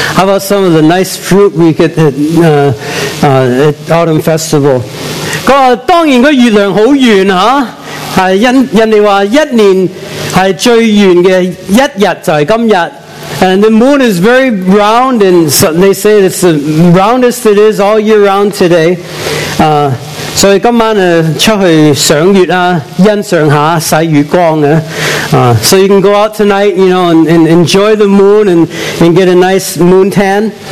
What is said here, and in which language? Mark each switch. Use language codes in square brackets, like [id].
[en] How about some of the nice fruit we get at autumn festival? [yue] 當然個月亮好圓嚇，係人哋話一年係最圓嘅一日就係今日。 [en] And the moon is very round, and so they say it's the roundest it is all year round today. [yue] 所以今晚啊出去賞月啊，欣賞下曬月光啊。 [en] So you can go out tonight, you know, and enjoy the moon and get a nice moon tan.